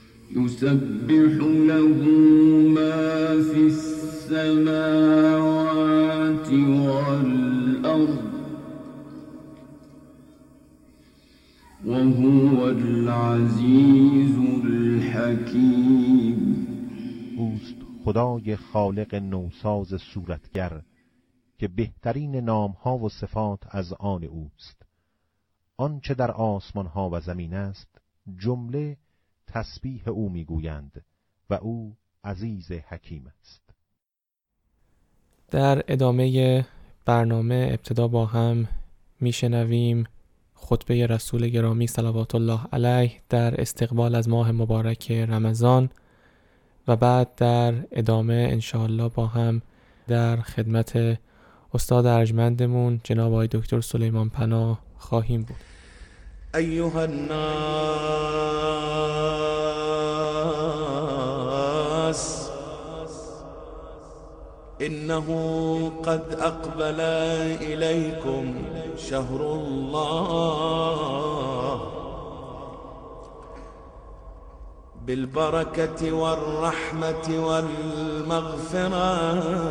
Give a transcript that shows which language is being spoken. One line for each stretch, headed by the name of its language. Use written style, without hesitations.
Arabic: يسبح له ما في السماوات والأرض وهو العزيز الحكيم.
Persian: اوست خدای خالق نوساز صورتگر که بهترین نام ها و صفات از آن اوست. آنچه در آسمان ها و زمین است جمله تسبیح او می گویند و او عزیز حکیم است. در ادامه برنامه ابتدا با هم می شنویم خطبه رسول گرامی صلوات الله علیه در استقبال از ماه مبارک رمضان و بعد در ادامه انشاءالله با هم در خدمت استاد ارجمندمون جناب آقای دکتر سلیمان پناه خواهیم بود.
Arabic: ایها الناس انه قد اقبل الیکم شهر الله بالبركة والرحمة والمغفرة